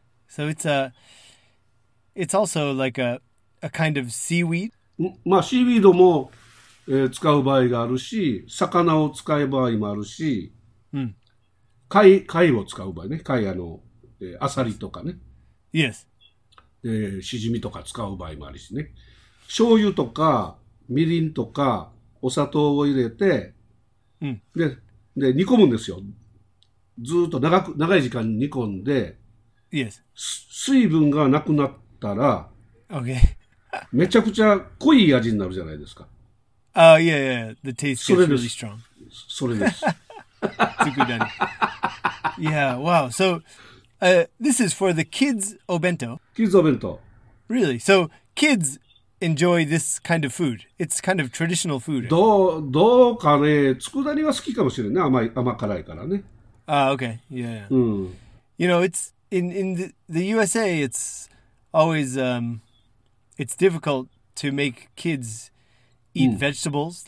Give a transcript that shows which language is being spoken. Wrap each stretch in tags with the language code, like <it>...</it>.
<en>So it's a, it's also like a kind of seaweed?</en> <ja>まあ、シーウィードも、使う場合があるし、魚を使う場合もあるし、貝を使う場合ね、貝、あの、アサリとかね。</ja> <en>Yes.</en> <ja>シジミとか使う場合もあるしね。醤油とかみりんとかお砂糖を入れて、で煮込むんですよ。ずっと長い時間煮込んで、</ja> <en>yes.</en> <ja>水分がなくなったら、</ja> <en>okay.</en> <ja>めちゃくちゃ濃い味になるじゃないですか。ああ、いやいや、</ja> <en>the taste gets really strong.</en> <ja>それです。つくだ煮。</ja> <en>Yeah, wow. So, this is for the kids' obento. Kids' obento. Really? So, kids... enjoy this kind of food. It's kind of traditional food.</en> <ja>どうかね、つくだ煮は好きかもしれないね。甘辛いからね。</ja> <en>Okay. Yeah. You know, it's in the USA, it's always, it's difficult to make kids eat vegetables.</en>